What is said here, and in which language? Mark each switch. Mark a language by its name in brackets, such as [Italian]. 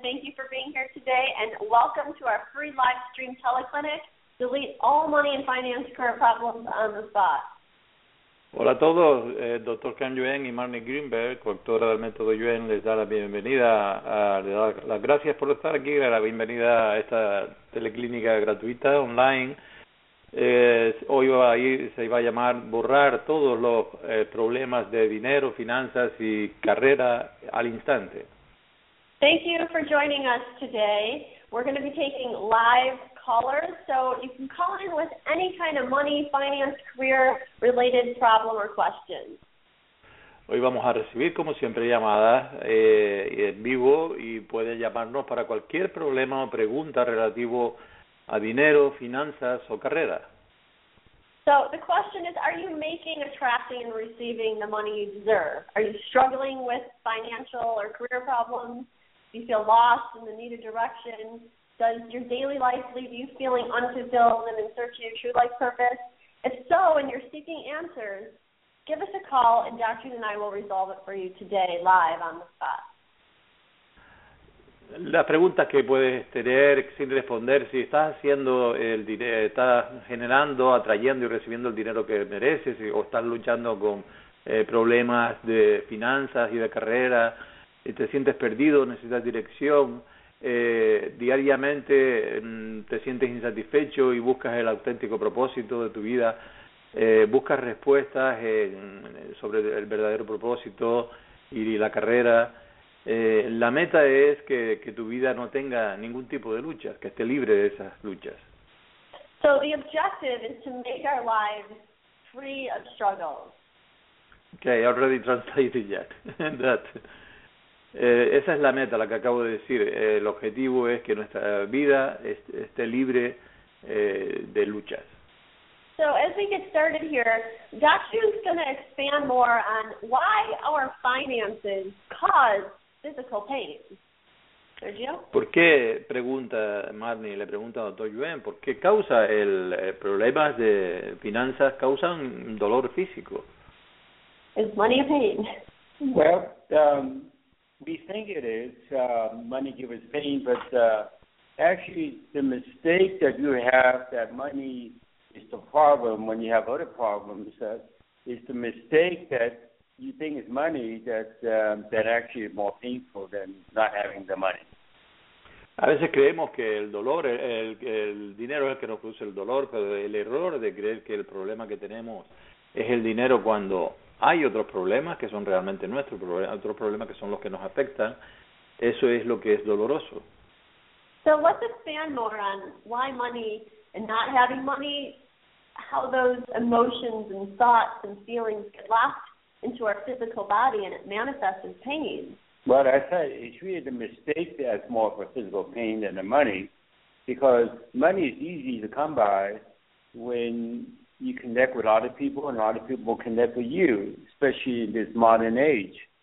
[English] Thank you for being here today, and welcome to our free live stream teleclinic. Delete all money and finance current problems on the spot. [Spanish] Hola a todos, Dr. Cam Yuen y Marnie Greenberg, coautora del método Yuen, les da la bienvenida, les da las gracias por estar aquí, la bienvenida a esta teleclínica gratuita online. Hoy se va a llamar borrar todos los problemas de dinero, finanzas y carrera al instante. [English] Thank you for joining us today. We're going to be taking live callers, so you can call in with any kind of money, finance, career-related problem or question. [Spanish] Hoy vamos a recibir, como siempre, llamadas en vivo y puede llamarnos para cualquier problema o pregunta relativo a dinero, finanzas o carrera. [English] So the question is, are you making, attracting, and receiving the money you deserve? Are you struggling with financial or career problems? Do you feel lost in the need of direction? Does your daily life leave you feeling unfulfilled and in search of your true life purpose? If so, and you're seeking answers, give us a call, and Dr. Yuen and I will resolve it for you today, live on the spot. [Spanish] La pregunta que puedes tener sin responder, si estás haciendo el dinero, estás generando, atrayendo y recibiendo el dinero que mereces, o estás luchando con problemas de finanzas y de carrera, y te sientes perdido, necesitas dirección, diariamente te sientes insatisfecho y buscas el auténtico propósito de tu vida, buscas respuestas sobre el verdadero propósito y la carrera. La meta es que tu vida no tenga ningún tipo de luchas, que esté libre de esas luchas. [English] So the objective is to make our lives free of struggles. Okay, I already translated yet. That. [Spanish] Esa es la meta, la que acabo de decir. El objetivo es que nuestra vida esté libre de luchas. [English] So as we get started here, Dr. Yuen's going to expand more on why our finances cause physical pain. Sergio? [Spanish] ¿Por qué, pregunta Marnie, le pregunta a Dr. Yuen, por qué causa el problemas de finanzas causan dolor físico? [English] Is money a pain? Well, we think it is, money gives us pain, but actually the mistake that you have that money is the problem when you have other problems is the mistake that you think is money that actually is more painful than not having the money. [Spanish] A veces creemos que el dolor, el dinero es el que nos produce el dolor, pero el error de creer que el problema que tenemos es el dinero cuando hay otros problemas que son realmente nuestros problemas, otros problemas que son los que nos afectan. Eso es lo que es doloroso. [English] So let's expand more on why money and not having money, how those emotions and thoughts and feelings get locked into our physical body and it manifests as pain. Well, I said it's really the mistake that's more for physical pain than the money, because money is easy to come by when you connect with other people, and other people connect with you, especially in this modern age.